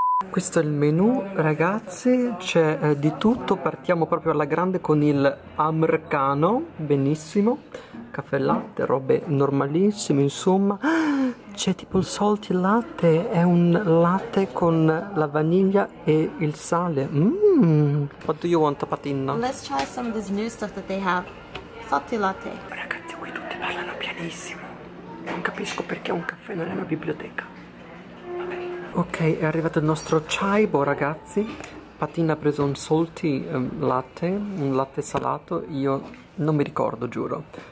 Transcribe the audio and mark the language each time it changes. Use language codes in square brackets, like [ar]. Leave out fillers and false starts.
[it] Questo è il menù, ragazzi, c'è di tutto, partiamo proprio alla grande con il americano, benissimo, caffè latte, robe normalissime, insomma. c'è tipo il salty latte, è un latte con la vaniglia e il sale. [en] Mmm. What do you want, patina? Let's try some of this new stuff that they have. Salty latte. [it] Ragazzi, qui tutti parlano pianissimo. Non capisco perché un caffè non è una biblioteca. Ok, è arrivato il nostro chaibo, ragazzi. Patina ha preso un salty latte, un latte salato, io non mi ricordo, giuro.